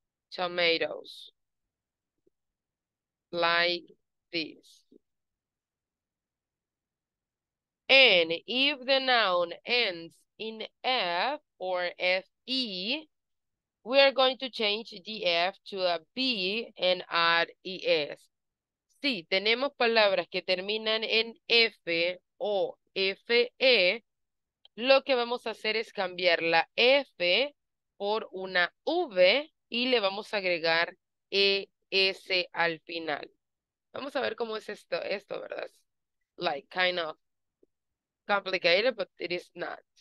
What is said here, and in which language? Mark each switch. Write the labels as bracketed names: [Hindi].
[English] Tomatoes. Like this. And if the noun ends in F or FE, we are going to change the F to a B and add ES. [Spanish] Si tenemos palabras que terminan en F o FE, lo que vamos a hacer es cambiar la F por una V y le vamos a agregar ES al final. Vamos a ver cómo es esto, ¿verdad? [English] Like, kind of complicated, but it is not.